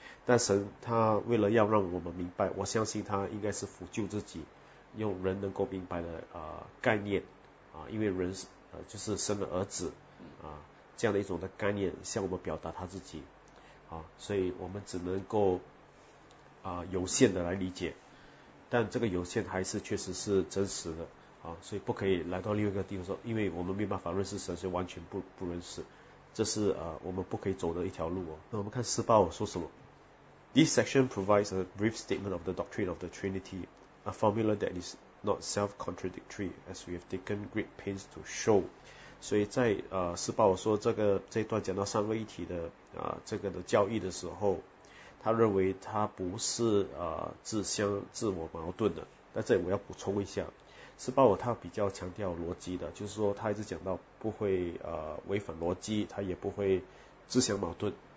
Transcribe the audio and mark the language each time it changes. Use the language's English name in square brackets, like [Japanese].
[Chinese] 但神他为了要让我们明白，我相信他应该是辅救自己，用人能够明白的概念啊，因为人是就是生了儿子啊这样的一种的概念向我们表达他自己啊，所以我们只能够有限的来理解，但这个有限还是确实是真实的啊，所以不可以来到另一个地方说，因为我们没办法认识神，所以完全不认识，这是我们不可以走的一条路哦。那我们看18说什么。 [English] This section provides a brief statement of the doctrine of the Trinity, a formula that is not self-contradictory, as we have taken great pains to show. [Chinese] 所以在四八我说这一段讲到三位一体的这个的教义的时候，他认为他不是自我矛盾的。但这里我要补充一下，四八我他比较强调逻辑的，就是说他一直讲到不会违反逻辑，他也不会自相矛盾。